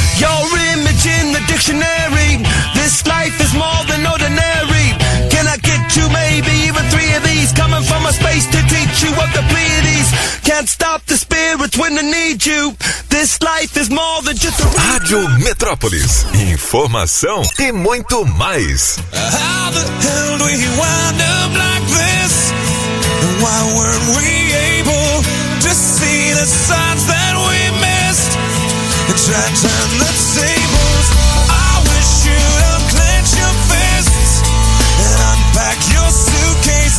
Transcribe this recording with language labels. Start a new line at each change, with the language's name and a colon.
English: Your image in the dictionary. This life is more than ordinary. Can I get you maybe even three of these? Coming from a space to teach you of the Pleiades. Can't stop the spirits when I need you. This life is more than just a...
Portuguese: Rádio Metrópolis. Informação e muito mais.
English: How the hell do we wind up like this? Why weren't we able to see the signs that we missed? And try to turn the tables. I wish you'd unclench your fists and unpack your suitcase.